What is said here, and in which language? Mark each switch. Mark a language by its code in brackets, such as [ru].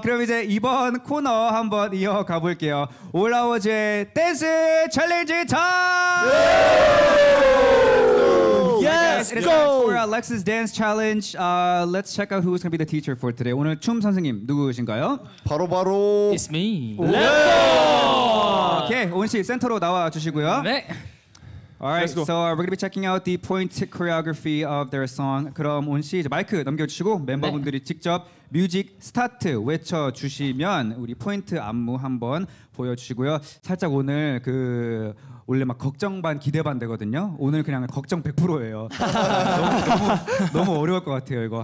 [ko] 그럼 이제 이번 코너 한번 이어가 볼게요. 올라오즈의 댄스 챌린지 타임! [en] Yes, let's go! For Alexis Dance Challenge, let's check out who's going to be the teacher for today. [ko] 오늘 춤 선생님 누구신가요? 바로 [en] It's me. Let's go! [ko] 오케이, 오은 씨 센터로 나와 주시고요. 네. [en] All right, so we're going to be checking out the point choreography of their song. [ko] 그럼 온 씨 이제 마이크 넘겨주시고 멤버분들이 네. 직접 뮤직 스타트 외쳐주시면 우리 포인트 안무 한번 보여주시고요. 살짝 오늘 그 원래 막 걱정 반 기대 반 되거든요. 오늘 그냥 걱정 100%예요. 너무 어려울 것 같아요, 이거.